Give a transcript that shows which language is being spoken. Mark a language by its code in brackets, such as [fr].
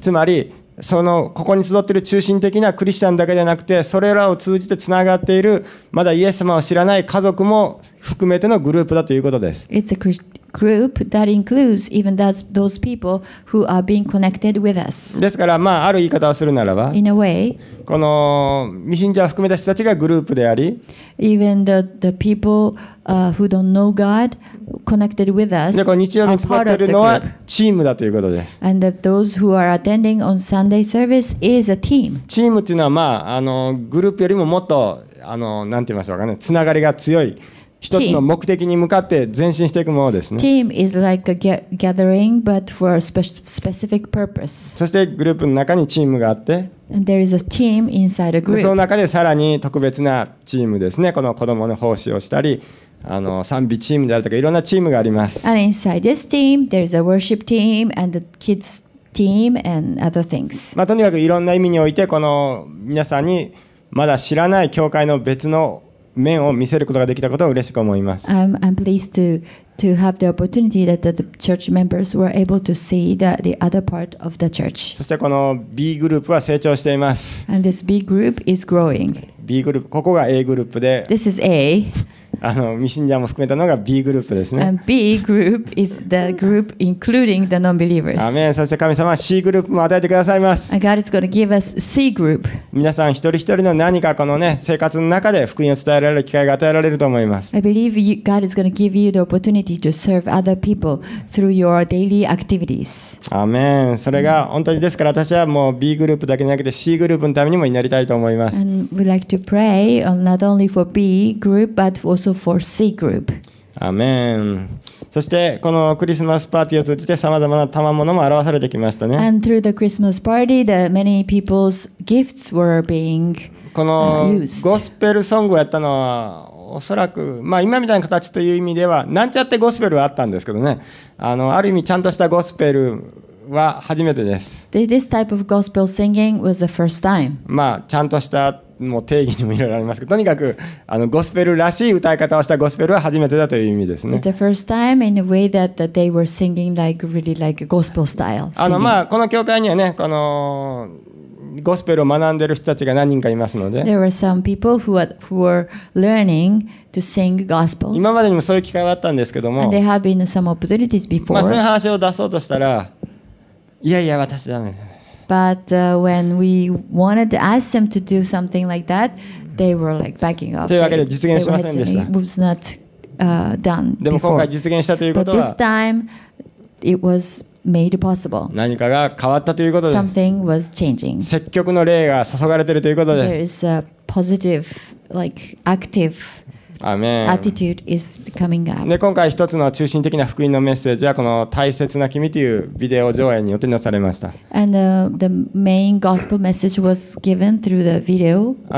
[ja] つまりそのここに集っている中心的なクリスチャンだけじゃなくて、それらを通じてつながっているまだイエス様を知らない家族も含めてのグループだということです。 [en] It's a group that includes even those people who are being connected with us. [ja] ですから、まあ、ある言い方をするならば、 [en] In a way, [ja] この未信者を含めた人たちがグループであり、 [en] Even the people, who don't know God connected with us, [ja] でこの日曜日に集まっているのはチームだということです。 [en] And those who are attending on Sunday service is a team. [ja] チームというのは、まあ、あのグループよりももっとあのなんて言いましょうかね、つながりが強い一つの目的に向かって前進していくものですね。 [en] Team is like a gathering but for a specific purpose. [ja] そしてグループの中にチームがあって、 [en] And there is a team inside a group. [ja] その中でさらに特別なチームですね、この子供の奉仕をしたりあの賛美チームであるとかいろんなチームがあります。 [en] And inside this team, there's a worship team and the kids team and other things. [ja] まあ、とにかくいろんな意味においてこの皆さんにまだ知らない教会の別の面を見せることができたことを嬉しく思います。 [en] I'm pleased to have the opportunity that the church members were able to see the other part of the church. [ja] そしてこの B グループは成長しています。 [en] And this B group is growing. [ja] B グループ、ここが A グループで。 [en] This is A. [ja] あの、未信者も含めたのが B グループですね。 [en] And B group is the group including the non-believers. [ja] アメン。 そして神様は C グループも与えてくださいます。 [en] And God is going to give us C group. [ja] 皆さん一人一人の何かこのね、生活の中で福音を伝えられる機会が与えられると思います。 [en] I believe you, God is going to give you the opportunity to serve other people through your daily activities. [ja] アメン。それが本当にですから私はもう B グループだけじゃなくて C グループのためにも祈りたいと思います。 [en] And we'd like to pray not only for B group but for also for C group. Amen. [ja] そしてこのクリスマスパーティーを通じてさまざまな賜物も表されてきましたね。 [en] And through the Christmas party, the many people's gifts were being used. [ja] このゴスペルソングをやったのはおそらく、まあ、今みたいな形という意味ではなんちゃってゴスペルはあったんですけどね。ある意味ちゃんとしたゴスペルは初めてです。 [en] This type of gospel singing was the first time. [ja] まあちゃんとしたもう定義にもいろいろありますけど、とにかくゴスペルらしい歌い方をしたゴスペルは初めてだという意味ですね。 [en] It's the first time in a way that they were singing like really like gospel style. [ja] まあこの教会にはね、このゴスペルを学んでる人たちが何人かいますので、 [en] There were some people who were learning to sing gospels. [ja] 今までにもそういう機会はあったんですけども、 [en] And there have been some opportunities before. [ja] まあそういう話を出そうとしたら、いやいや私ダメ。 [en] But when we wanted to ask them to do something like that, they were like backing off. [ja] というわけで実現しませんでした。 [en] It was not done before. [ja] でも今回実現したということは、 [en] But this time it was made possible. [ja] 何かが変わったということです。 [en] Something was changing. [ja] 積極の霊が注がれているということです。 [en] There is a positive, like active attitude is coming up. [ja] で今回一つの中心的な福音のメッセージはこの大切な君というビデオ上映によってなされました。 [en] And the main gospel message was given through the video.